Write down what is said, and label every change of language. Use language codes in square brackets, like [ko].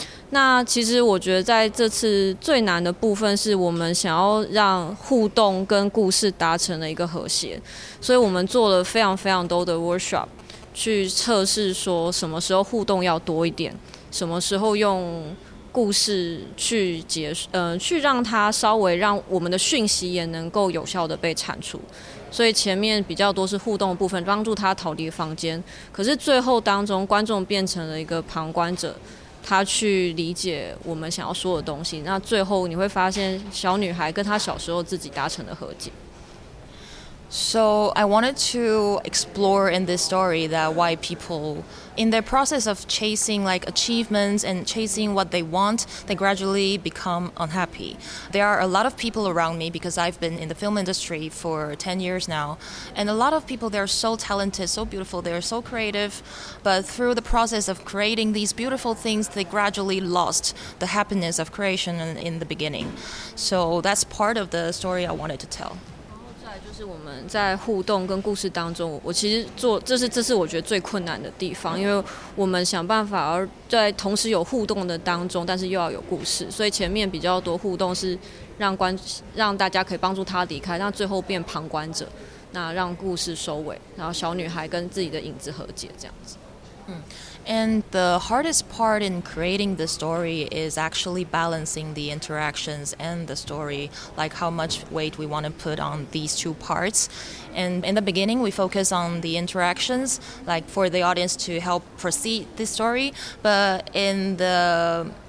[zh] 那其实我觉得在这次最难的部分是我们想要让互动跟故事达成了一个和谐，所以我们做了非常非常多的 workshop 去测试说什么时候互动要多一点，什么时候用故事去结束，去让它稍微让我们的讯息也能够有效的被产出。所以前面比较多是互动的部分，帮助他逃离房间，可是最后当中观众变成了一个旁观者，他去理解我们想要说的东西，那最后你会发现小女孩跟她小时候自己达成了和解。 [en] So I wanted to explore in this story that why people in their process of chasing like achievements and chasing what they want, they gradually become unhappy. There are a lot of people around me because I've been in the film industry for 10 years now, and a lot of people, they're so talented, so beautiful, they're so creative, but through the process of creating these beautiful things, they gradually lost the happiness of creation in the beginning. So that's part of the story I wanted to tell. [zh] 就是我们在互动跟故事当中，我其实做这是我觉得最困难的地方，因为我们想办法要在同时有互动的当中，但是又要有故事，所以前面比较多互动是让大家可以帮助他离开，那最后变旁观者，那让故事收尾，然后小女孩跟自己的影子和解这样子。 [en] And the hardest part in creating the story is actually balancing the interactions and the story, like how much weight we want to put on these two parts. And in the beginning, we focus on the interactions, like for the audience to help proceed the story. But in the